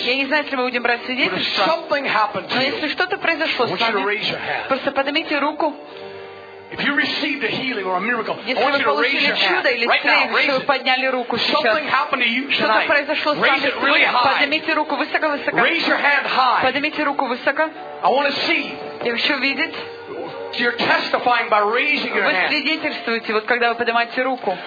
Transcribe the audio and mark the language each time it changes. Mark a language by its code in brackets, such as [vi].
[ru] Я не знаю, если мы будем брать свидетельства. [en] But something happened to you. [ru] Но если что-то произошло с вами. [en] I want you to raise your hand. [ru] Просто поднимите руку. [en] If you received a healing or a miracle, [ru] если вы получили чудо или исцеление, вы подняли руку сейчас. [en] Something happened to you tonight. [ru] Что-то произошло с вами. Поднимите руку высоко, высоко. [en] Raise your hand high. [ru] Поднимите руку высоко. [en] I want to see. [ru] Я хочу видеть. [en] You're testifying by raising your hand. [ru] Вы свидетельствуете, вот когда вы поднимаете руку.